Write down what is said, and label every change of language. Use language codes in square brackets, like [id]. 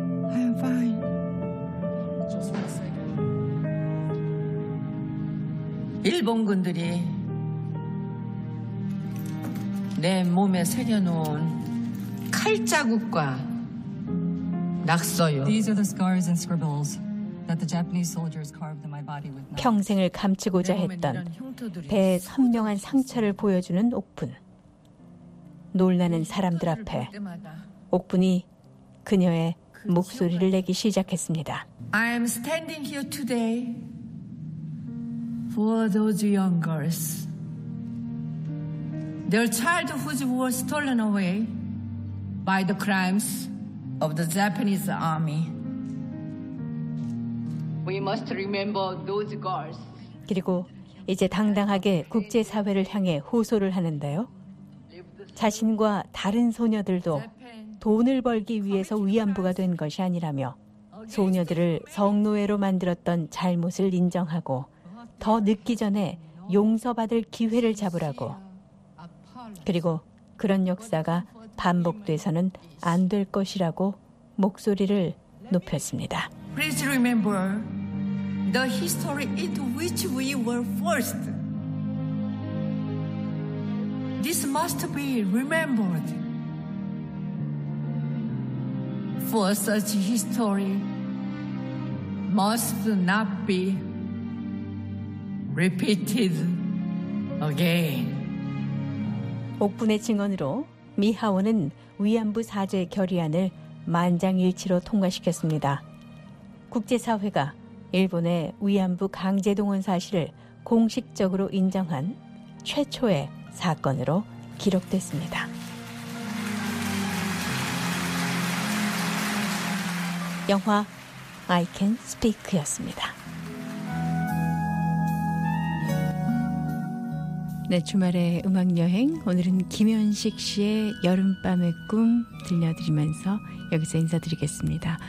[en] I am fine. Just one second. [ko] 일본군들이 내 몸에 새겨놓은 칼자국과 낙서요. [en] These are the scars and scribbles. That the Japanese soldiers carved my body with. [ko] 평생을 감추고자 했던 배의 선명한 상처를 보여주는 옥분. 놀라는 사람들 앞에 옥분이 그녀의 목소리를 내기 시작했습니다. [en] I am standing here today for those young girls. Their childhoods were stolen away by the crimes of the Japanese army. We must remember those girls. [ko] 그리고 이제 당당하게 국제사회를 향해 호소를 하는데요. 자신과 다른 소녀들도 돈을 벌기 위해서 위안부가 된 것이 아니라며 소녀들을 성노예로 만들었던 잘못을 인정하고 더 늦기 전에 용서받을 기회를 잡으라고. 그리고 그런 역사가 반복돼서는 안 될 것이라고 목소리를 높였습니다. [en] Please remember the history into which we were forced. This must be remembered. For such history must not be repeated again. [ko] 옥분의 증언으로 미 하원은 위안부 사죄 결의안을 만장일치로 통과시켰습니다. 국제사회가 일본의 위안부 강제 동원 사실을 공식적으로 인정한 최초의 사건으로 기록됐습니다. 영화 [en] I Can Speak [ko] 였습니다. 네, 주말의 음악 여행 오늘은 김현식 씨의 여름밤의 꿈 들려드리면서 여기서 인사드리겠습니다.